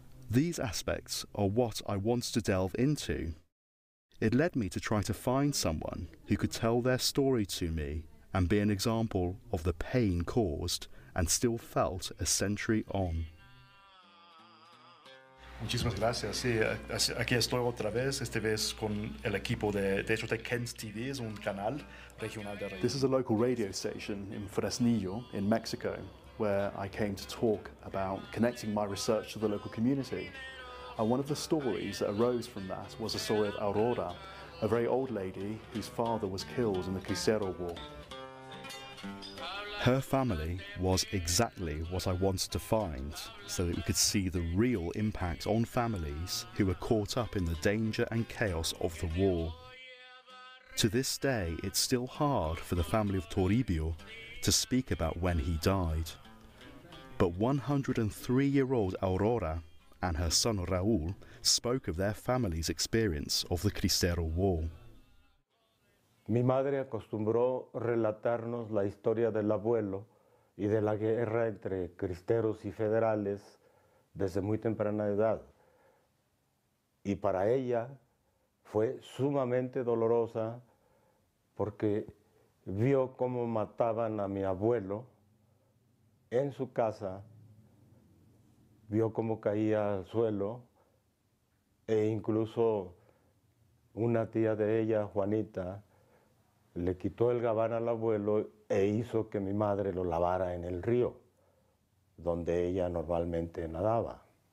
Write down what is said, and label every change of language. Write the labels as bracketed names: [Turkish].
[English] These aspects are what I want to delve into. It led me to try to find someone who could tell their story to me and be an example of the pain caused and still felt a century on. [Spanish] Muchísimas gracias. Sí, aquí estoy otra vez, esta vez con el equipo de hecho de Kent TV, es un canal regional de radio. [English] This is a local radio station in Fresnillo, in Mexico, where I came to talk about connecting my research to the local community. And one of the stories that arose from that was the story of Aurora, a very old lady whose father was killed in the Cristero War. Her family was exactly what I wanted to find, so that we could see the real impact on families who were caught up in the danger and chaos of the war. To this day, it's still hard for the family of Toribio to speak about when he died. But 103-year-old Aurora and her son Raúl spoke of their family's experience of the Cristero War. [Spanish] Mi madre acostumbró relatarnos la historia del abuelo y de la guerra entre cristeros y federales desde muy temprana edad. Y para ella fue sumamente dolorosa porque vio cómo mataban a mi abuelo en su casa, vio cómo caía al suelo e incluso una tía de ella, Juanita, le quitó el gabán al abuelo e hizo que mi madre lo lavara en el río, donde ella normalmente nadaba.